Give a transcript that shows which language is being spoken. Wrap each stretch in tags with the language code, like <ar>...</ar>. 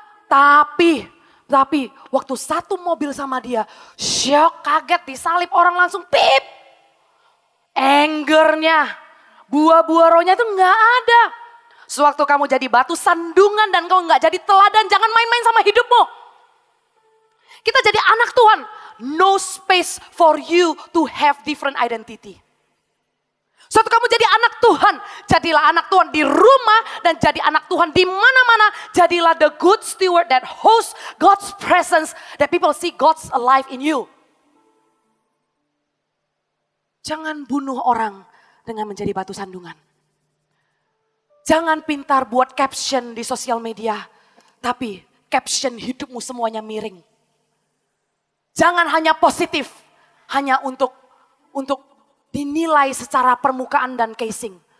<id>Tapi waktu satu mobil sama dia, syok, kaget, disalip, orang langsung pip. Anger-nya, buah-buah rohnya itu gak ada. Sewaktu kamu jadi batu sandungan dan kau gak jadi teladan, jangan main-main sama hidupmu. Kita jadi anak Tuhan.</id> <en>No space for you to have different identity.</en> <id>Sewaktu kamu jadi anak Tuhan, jadilah anak Tuhan di rumah dan jadi anak Tuhan di mana-mana. Jadilah</id> <en>the good steward that hosts God's presence, that people see God's alive in you.</en> <id>Jangan bunuh orang dengan menjadi batu sandungan. Jangan pintar buat caption di sosial media, tapi caption hidupmu semuanya miring. Jangan hanya positif, hanya untuk dinilai secara permukaan dan casing.</id>